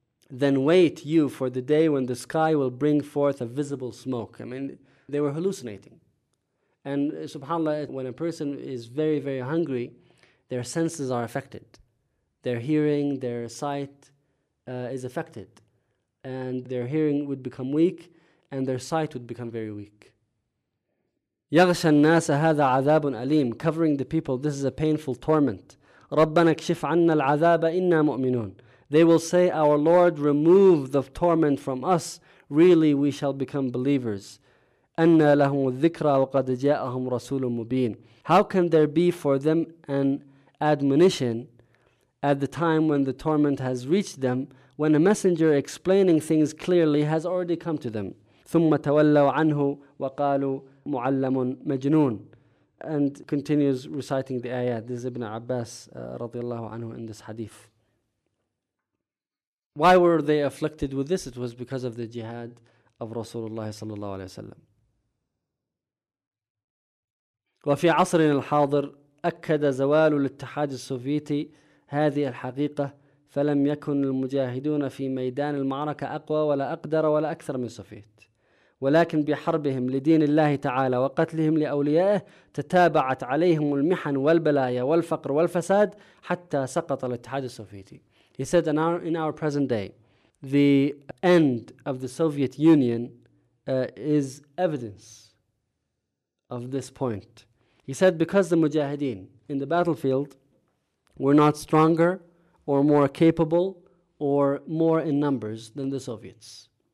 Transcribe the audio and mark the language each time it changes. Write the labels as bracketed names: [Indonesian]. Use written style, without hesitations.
[English] Then wait you for the day when the sky will bring forth a visible smoke. I mean, they were hallucinating. And subhanAllah, when a person is very, very hungry, their senses are affected. Their hearing, their sight is affected. And their hearing would become weak, and their sight would become very weak. [Arabic] يغشى الناس هذا عذاب أليم. [English] Covering the people, this is a painful torment. [Arabic] ربنا اكشف عنا العذاب إنا مؤمنون. [English] They will say, our Lord, remove the torment from us. Really, we shall become believers. [Arabic] أَنَّا لَهُمُ الذِّكْرَ وَقَدْ جَاءَهُمْ رَسُولٌ مُّبِينٌ. [English] How can there be for them an admonition at the time when the torment has reached them, when a messenger explaining things clearly has already come to them? [Arabic] ثُمَّ تَوَلَّوْا عَنْهُ وَقَالُوا مُعَلَّمٌ مَجْنُونٌ. [English] And continues reciting the ayat. This is Ibn Abbas [Arabic] رضي الله عنه [English] in this hadith. Why were they afflicted with this? It was because of the jihad of Rasulullah [Arabic] sallallahu alayhi wa sallam. وفي عصرنا الحاضر أكد زوال الاتحاد السوفيتي هذه الحقيقة فلم يكن المجاهدون في ميدان المعركة أقوى ولا أقدر ولا أكثر من صفيت، ولكن بحربهم لدين الله تعالى وقتلهم لأوليائه تتابعت عليهم المحن والبلايا والفقر والفساد حتى سقط الاتحاد السوفيتي. [English] He said, in our present day, the end of the Soviet Union is evidence of this point. He said, because the mujahideen in the battlefield were not stronger or more capable or more in numbers than the Soviets.